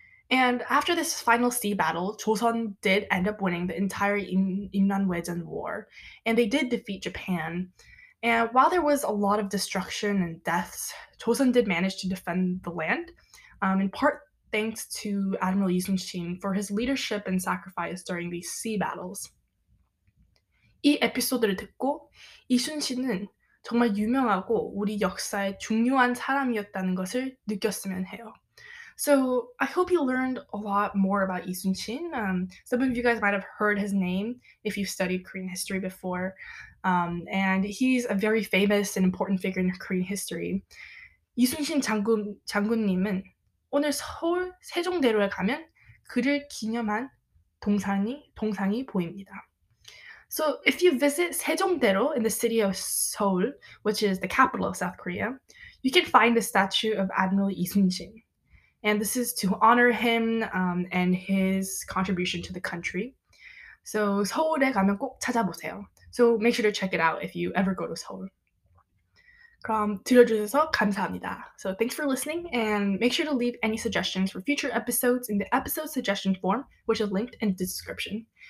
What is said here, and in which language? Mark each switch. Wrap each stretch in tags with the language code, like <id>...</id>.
<en>And after this final sea battle, Joseon did end up winning the entire 임난왜전 war, and they did defeat Japan. And while there was a lot of destruction and deaths, Joseon did manage to defend the land, in part thanks to Admiral 이순신 for his leadership and sacrifice during these sea battles.</en> <ko>이 에피소드를 듣고 이순신은 정말 유명하고 우리 역사에 중요한 사람이었다는 것을 느꼈으면 해요.</ko> <en>So I hope you learned a lot more about 이순신. Some of you guys might have heard his name if you've studied Korean history before. And he's a very famous and important figure in Korean history.</en> <ko>이순신 장군님은 오늘 서울 세종대로에 가면 그를 기념한 동상이 보입니다.</ko> <en>So if you visit Sejongdaero in the city of Seoul, which is the capital of South Korea, you can find the statue of Admiral 이순신. And this is to honor him and his contribution to the country.</en> <ko>So 서울에 가면 꼭 찾아보세요.</ko> <en>So make sure to check it out if you ever go to Seoul.</en> <ko>그럼 들어주셔서 감사합니다.</ko> <en>So thanks for listening, and make sure to leave any suggestions for future episodes in the episode suggestion form, which is linked in the description.</en>